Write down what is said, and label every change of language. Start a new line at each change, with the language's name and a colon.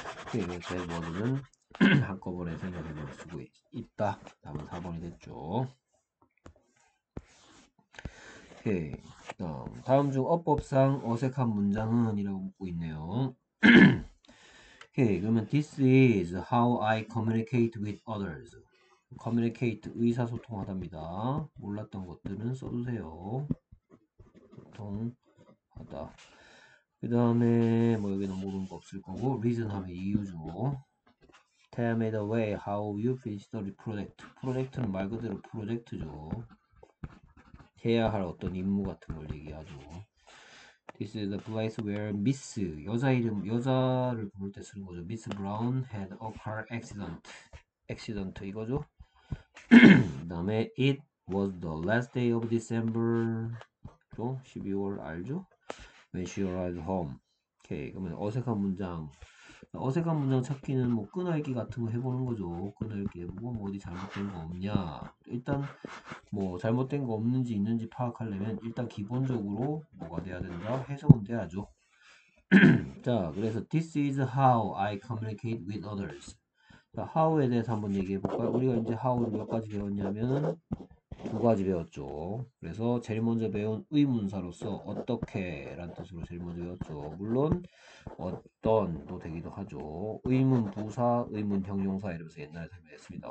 Korean: 그래서 that word는 한꺼번에 생각해 볼 수가 있다. 다음은 4번이 됐죠. 오케이. 다음 중 어법상 어색한 문장은 이라고 묻고 있네요. 오케이.
English: 그러면 this is how I communicate with others.
Korean: communicate 의사소통하답니다. 몰랐던 것들은 써주세요. 소통하다. 그 다음에 뭐 여기는 모르는 거 없을 거고 reason 하면 이유죠.
English: Tell me the way how you finish the project.
Korean: 프로젝트는 말 그대로 프로젝트죠. 해야 할 어떤 임무 같은 걸 얘기하죠.
English: This is the place where Miss
Korean: 여자 이름 여자를 부를 때 쓰는 거죠.
English: Miss Brown had a car accident.
Korean: 이거죠. 그다음에
English: It was the last day of December.
Korean: 그렇죠? 12월 알죠?
English: When she arrived home.
Korean: 오케이. 그러면 어색한 문장. 어색한 문장 찾기는 뭐 끄날기 같은 거 해보는 거죠. 끄날기 해보고 뭐 어디 잘못된 거 없냐. 일단 뭐 잘못된 거 없는지 있는지 파악하려면 일단 기본적으로 뭐가 돼야 된다? 해석은 돼야죠.
English: 자, 그래서 this is how I communicate with others.
Korean: 자, how에 대해서 한번 얘기해 볼까요? 우리가 이제 how를 몇 가지 배웠냐면 두 가지 배웠죠. 그래서 제일 먼저 배운 의문사로서 어떻게 라는 뜻으로 제일 먼저 배웠죠. 물론 어떤도 되기도 하죠. 의문 부사, 의문 형용사 이러면서 옛날에 설명했습니다.